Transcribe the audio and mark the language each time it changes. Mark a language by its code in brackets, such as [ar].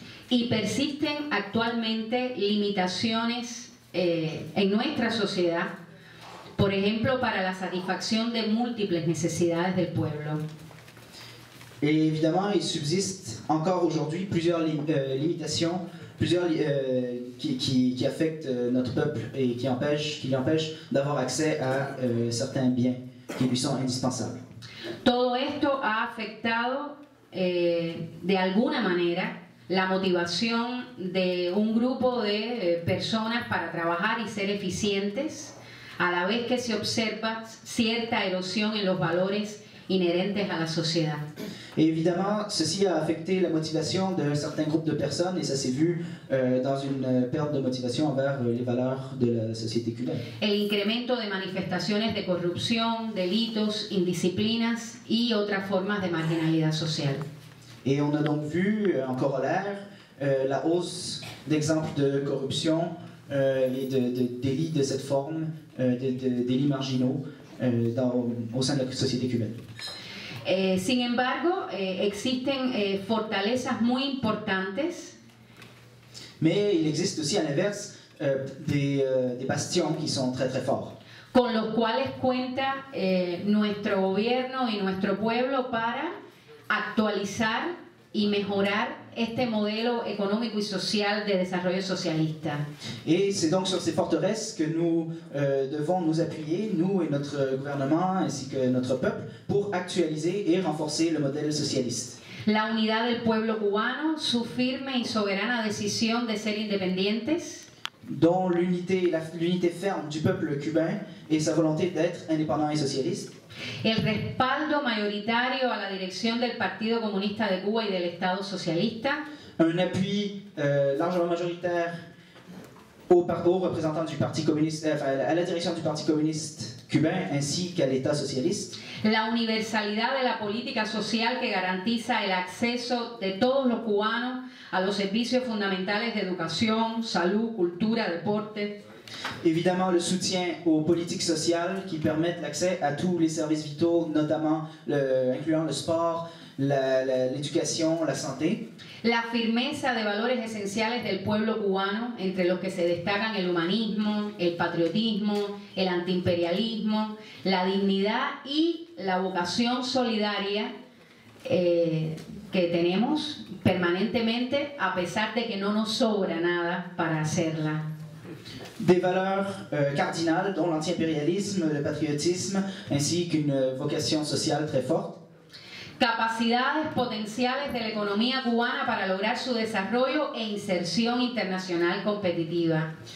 [es] Y persisten actualmente limitaciones en nuestra sociedad, por ejemplo, para la satisfacción de múltiples necesidades del pueblo. [fr] Et évidemment, il subsiste encore aujourd'hui plusieurs limitations, plusieurs qui affectent notre peuple et qui l'empêchent d'avoir accès à certains biens qui lui sont indispensables. [es] Todo esto ha afectado de alguna manera la motivación de un grupo de personas para trabajar y ser eficientes, a la vez que se observa cierta erosión en los valores [fr] inhérentes à la société. Et évidemment, ceci a affecté la motivation d'un certain groupe de personnes et ça s'est vu dans une perte de motivation envers les valeurs de la société cubaine. [es] El incremento de manifestaciones de corrupción, delitos, indisciplinas y otras formas de marginalidad social. [fr] Et on a donc vu en corollaire la hausse d'exemples de corruption et de délits de cette forme, de délits marginaux. Au sein de la société cubaine. [es] Sin embargo, existen fortalezas muy importantes. [fr] Mais il existe aussi à l'inverse des bastions qui sont très très forts. [es] Con los cuales cuenta nuestro gobierno y nuestro pueblo para actualizar y mejorar este modelo económico y social de desarrollo socialista. [fr] Et c'est donc sur ces forteresses que nous devons nous appuyer, nous et notre gouvernement ainsi que notre peuple, pour actualiser et renforcer le modèle socialiste. [es] la unidad del pueblo cubano, su firme y soberana decisión de ser independientes, [fr] dans l'unité la l'unité ferme du peuple cubain et sa volonté d'être indépendant et socialiste, [es] el respaldo mayoritario a la dirección del Partido Comunista de Cuba y del Estado Socialista, [fr] un appui largement majoritaire au représentant du Parti communiste, enfin, à la direction du Parti communiste cubain ainsi qu'à l'État socialiste. [es] La universalidad de la política social que garantiza el acceso de todos los cubanos a los servicios fundamentales de educación, salud, cultura, deporte. [fr] Évidemment, le soutien aux politiques sociales qui permettent l'accès à tous les services vitaux, notamment incluant le sport, l'éducation, la santé. [es] La firmeza de valores esenciales del pueblo cubano, entre los que se destacan el humanismo, el patriotismo, el antiimperialismo, la dignidad y la vocación solidaria que tenemos permanentemente, a pesar de que no nos sobra nada para hacerla. [fr] Des valeurs cardinales, dont l'anti-impérialisme, le patriotisme, ainsi qu'une vocation sociale très forte. [es] Capacidades potenciales de la economía cubana para lograr su desarrollo e inserción internacional competitiva.